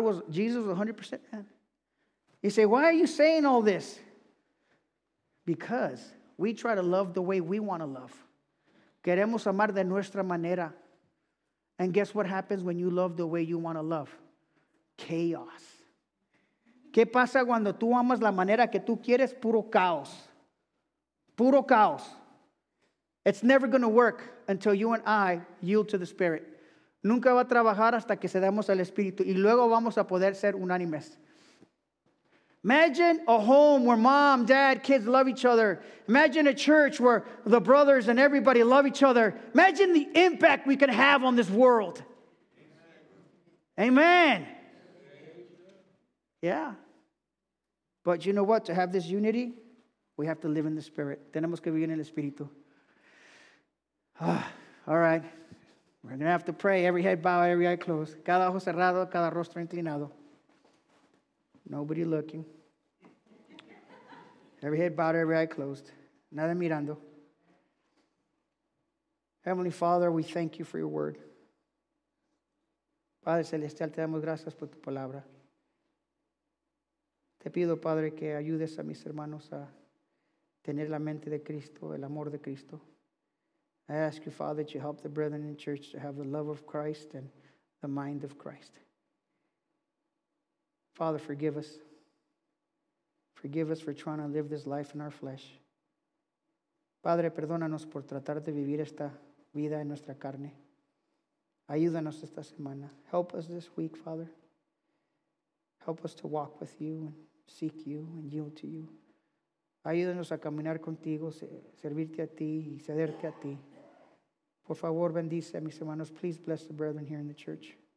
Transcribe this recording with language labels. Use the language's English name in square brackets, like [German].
[English] Jesus was 100% man. You say, why are you saying all this? Because we try to love the way we want to love. [Spanish] Queremos amar de nuestra manera. [English] And guess what happens when you love the way you want to love? Chaos. [Spanish] ¿Qué pasa cuando tú amas la manera que tú quieres? Puro caos. Puro caos. [English] It's never going to work until you and I yield to the Spirit. [Spanish] Nunca va a trabajar hasta que cedamos al Espíritu y luego vamos a poder ser unánimes. [English] Imagine a home where mom, dad, kids love each other. Imagine a church where the brothers and everybody love each other. Imagine the impact we can have on this world. Amen. Yeah. But you know what? To have this unity, we have to live in the Spirit. [Spanish] Tenemos que vivir en el Espíritu. [English] All right. We're going to have to pray. Every head bowed, every eye closed. [Spanish] Cada ojo cerrado, cada rostro inclinado. [English] Nobody looking. Every head bowed, every eye closed. [Spanish] Nada mirando. [English] Heavenly Father, we thank you for your word. [Spanish] Padre Celestial, te damos gracias por tu palabra. Te pido, Padre, que ayudes a mis hermanos a tener la mente de Cristo, el amor de Cristo. [English] I ask you, Father, that you help the brethren in church to have the love of Christ and the mind of Christ. Father, forgive us. Forgive us for trying to live this life in our flesh. [Spanish] Padre, perdónanos por tratar de vivir esta vida en nuestra carne. Ayúdanos esta semana. [English] Help us this week, Father. Help us to walk with you and seek you and yield to you. [Spanish] Ayúdanos a caminar contigo, servirte a ti y cederte a ti. Por favor, bendice a mis hermanos. [English] Please bless the brethren here in the church.